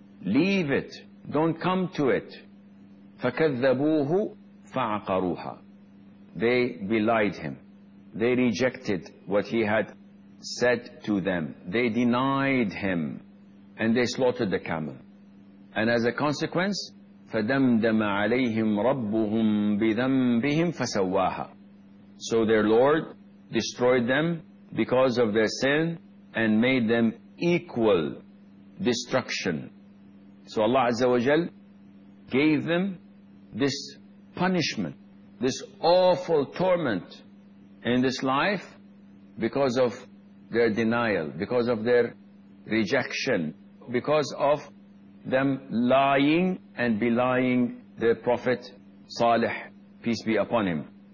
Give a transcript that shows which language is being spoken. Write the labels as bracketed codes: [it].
[en] Leave it. Don't come to it. [ar] فَكَذَّبُوهُ فَعَقَرُوهَا. [en] They belied him. They rejected what he had said to them. They denied him. And they slaughtered the camel. [ar] And as a consequence, فَدَمْدَمَ عَلَيْهِمْ رَبُّهُمْ بِذَنْبِهِمْ فَسَوَّاهَا. [en] So their Lord destroyed them because of their sin and made them equal destruction. So Allah Azza wa Jal gave them this punishment, this awful torment in this life because of their denial, because of their rejection, because of them lying and belying the Prophet Salih, peace be upon him.